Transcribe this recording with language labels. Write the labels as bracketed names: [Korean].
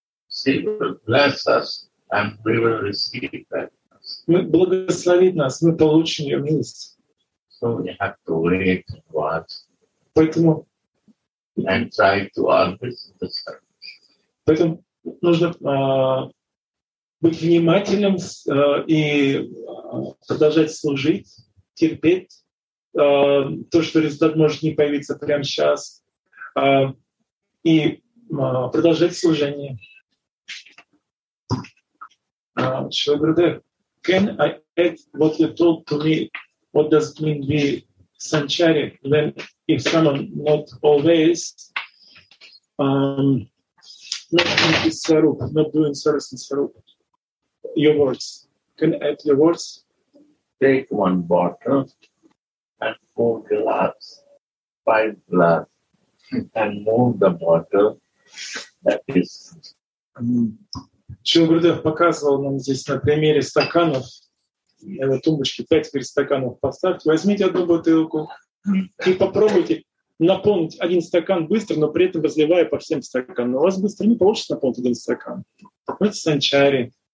[English] She will bless us and we will receive that. [Russian] Мы благословит нас, мы получим ее милость. [English] So we have to wait and watch. [Russian] Поэтому [English] and try to always the service. [Russian] Поэтому нужно быть внимательным и продолжать служить, терпеть то, что результат может не появиться прямо сейчас, и продолжать служение. [English] Can I add what you told to me? What does it mean be sanchari? Then, if someone not always not in this Svarup, not doing service in Svarup. Your words. Can I add your words? Take one bottle and four glass, five glass, and move the bottle. That is. [Russian] Чин Гурдев показывал нам здесь на примере стаканов. На тумбочке пять стаканов поставьте. Возьмите одну бутылку и попробуйте наполнить один стакан быстро, но при этом разливая по всем стаканам. У вас быстро не получится наполнить один стакан. Вот санчари.